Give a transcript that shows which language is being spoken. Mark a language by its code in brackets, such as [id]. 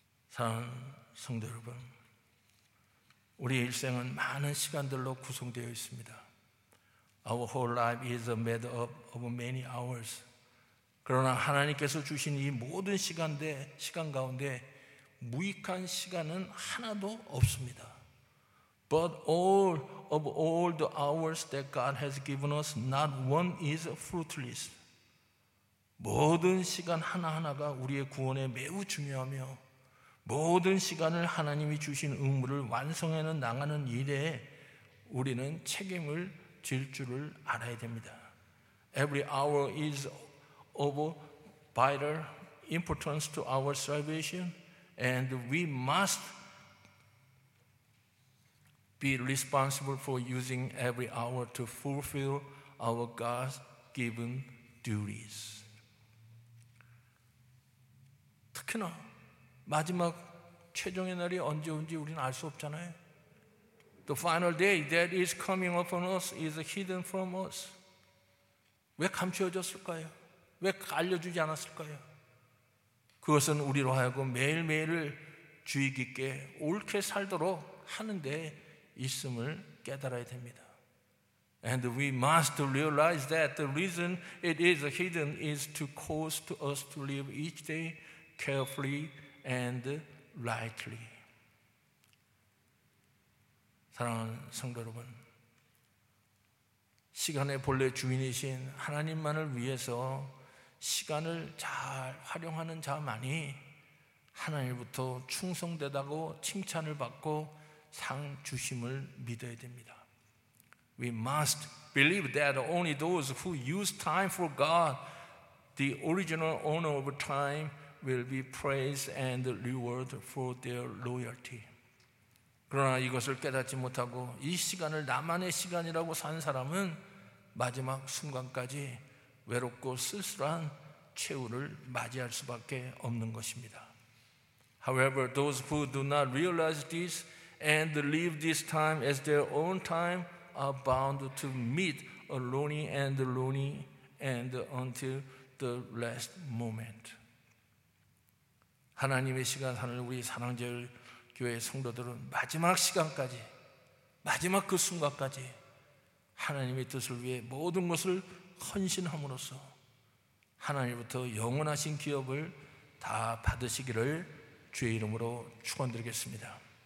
[ko] 사랑하는 성도 여러분, 우리 일생은 많은 시간들로 구성되어 있습니다. [en] Our whole life is made up of many hours. [ko] 그러나 하나님께서 주신 이 모든 시간 가운데 무익한 시간은 하나도 없습니다. [en] But all of all the hours that God has given us, not one is fruitless. [ko] 모든 시간 하나하나가 우리의 구원에 매우 중요하며 모든 시간을 하나님이 주신 의무를 완성해는 나가는 일에 우리는 책임을 질 줄을 알아야 됩니다. [en] Every hour is of vital importance to our salvation, and we must be responsible for using every hour to fulfill our God-given duties. [ko] 특히나 마지막 최종의 날이 언제 온지 우리는 알 수 없잖아요. [en] The final day that is coming upon us is hidden from us. [ko] 왜 감추어졌을까요? 왜 알려주지 않았을까요? 그것은 우리로 하여금 매일매일을 주의 깊게 옳게 살도록 하는 데 있음을 깨달아야 됩니다. [en] And we must realize that the reason it is hidden is to cause to us to live each day carefully and rightly. [ko] 사랑하는 성도 여러분, 시간의 본래 주인이신 하나님만을 위해서 시간을 잘 활용하는 자만이 하나님부터 충성되다고 칭찬을 받고 상 주심을 믿어야 됩니다. [en] We must believe that only those who use time for God, the original owner of time, will be praised and rewarded for their loyalty. [ko] 그러나 이것을 깨닫지 못하고 이 시간을 나만의 시간이라고 산 사람은 마지막 순간까지 외롭고 쓸쓸한 최후를 맞이할 수밖에 없는 것입니다. [en] However, those who do not realize this and leave this time as their own time are bound to meet a lonely and lonely and until the last moment. [ko] 하나님의 시간 사는 우리 사랑제일 교회의 성도들은 마지막 시간까지, 마지막 그 순간까지 하나님의 뜻을 위해 모든 것을 헌신함으로써 하나님부터 영원하신 기업을 다 받으시기를 주의 이름으로 축원드리겠습니다.